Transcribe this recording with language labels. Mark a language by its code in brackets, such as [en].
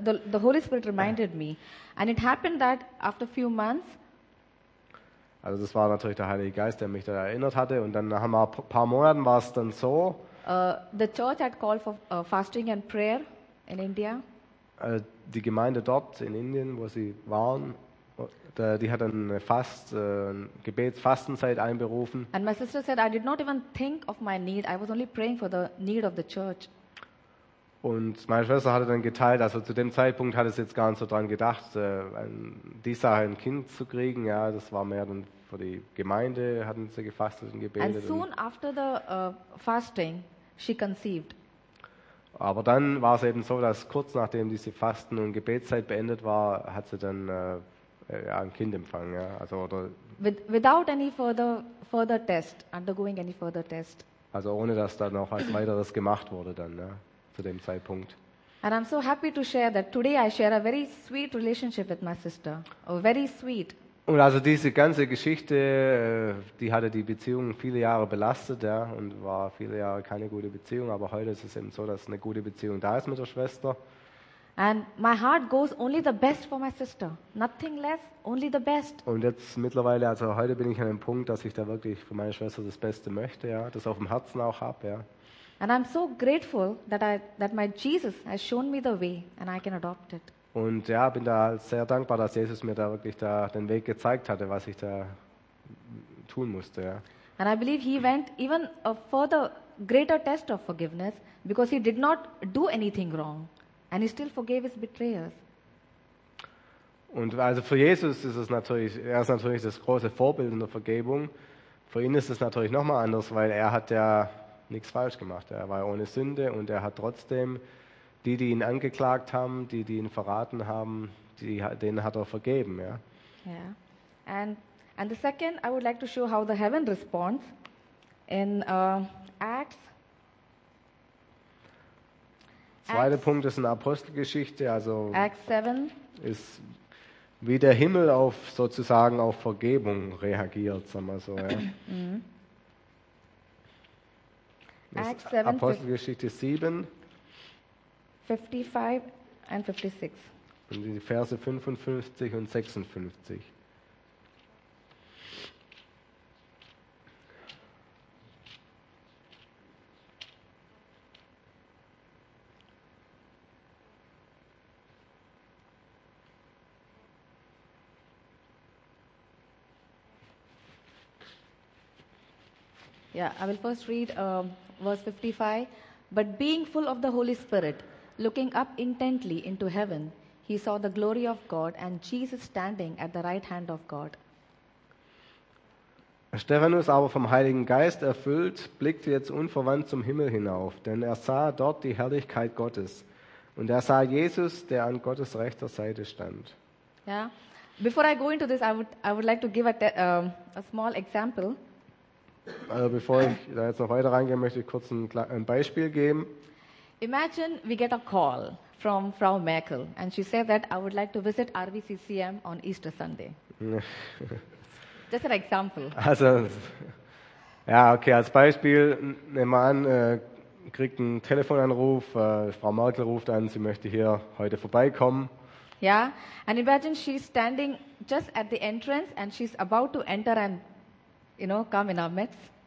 [en] The Holy Spirit reminded me. And it happened that after a few months. [de] Also das war natürlich der Heilige Geist, der mich da erinnert hatte. Und dann nach ein paar Monaten war es dann so. [en] The church had called for fasting and prayer in India. [de] Die Gemeinde dort in Indien, wo sie waren, die hat eine Gebetsfastenzeit einberufen. [en] And my sister said, I did not even think of my need. I was only praying for the need of the church. [de] Und meine Schwester hatte dann geteilt, also zu dem Zeitpunkt hatte sie jetzt gar nicht so dran gedacht, die Sache ein Kind zu kriegen. Ja, das war mehr dann für die Gemeinde, hatten sie gefastet und gebetet. [en] And soon after the fasting, she conceived. [de] Aber dann war es eben so, dass kurz nachdem diese Fasten- und Gebetszeit beendet war, hat sie dann ein Kind empfangen. Ja? Also, oder [en] Without any further test, undergoing any further test. [de] Also ohne, dass da noch was weiteres gemacht wurde dann, ja, zu dem Zeitpunkt. [en] And I'm so happy to share that today I share a very sweet relationship with my sister. Oh, very sweet. [de] Und also diese ganze Geschichte, die hatte die Beziehung viele Jahre belastet, ja, und war viele Jahre keine gute Beziehung, aber heute ist es eben so, dass eine gute Beziehung da ist mit der Schwester. [en] And my heart goes only the best for my sister. Nothing less, only the best. [de] Und jetzt mittlerweile, also heute bin ich an dem Punkt, dass ich da wirklich für meine Schwester das Beste möchte, ja, das auf dem Herzen auch habe, ja. [en] And I'm so grateful that my Jesus has shown me the way and I can adopt it. [de] Und ja, bin da sehr dankbar, dass Jesus mir da wirklich da den Weg gezeigt hatte, was ich da tun musste, ja. [en] And I believe he went even a further greater test of forgiveness, because he did not do anything wrong. And he still forgave his betrayers. [de] Und also für Jesus ist es natürlich, er ist natürlich das große Vorbild in der Vergebung. Für ihn ist es natürlich nochmal anders, weil er hat ja nichts falsch gemacht. Er war ohne Sünde und er hat trotzdem die, die ihn angeklagt haben, die, die ihn verraten haben, denen hat er vergeben. Ja. Yeah. [en] And the second, I would like to show how the heaven responds in Acts. [de] Zweite Punkt ist eine Apostelgeschichte, also [en] Acts 7. [de] Ist, wie der Himmel auf sozusagen auf Vergebung reagiert, sagen wir so. Ja. [en] Acts 7, [de] Apostelgeschichte 7, 55 und 56. Und die Verse 55 und 56. [en] Yeah, I will first read verse 55. But being full of the Holy Spirit, looking up intently into heaven, he saw the glory of God and Jesus standing at the right hand of God. [de] Stephanus aber vom Heiligen Geist erfüllt, blickte jetzt unverwandt zum Himmel hinauf, denn er sah dort die Herrlichkeit Gottes. Und er sah Jesus, der an Gottes rechter Seite stand. Yeah. [en] Before I go into this, I would like to give a small example. [de] Also bevor ich da jetzt noch weiter reingehe, möchte ich kurz ein Beispiel geben. [en] Imagine we get a call from Frau Merkel and she said that I would like to visit RVCCM on Easter Sunday. Just an example. [de] Also, ja, okay, als Beispiel, nehmen wir an, kriegt einen Telefonanruf, Frau Merkel ruft an, sie möchte hier heute vorbeikommen. [en] Ja, yeah, and imagine she's standing just at the entrance and she's about to enter and you know, come in our midst.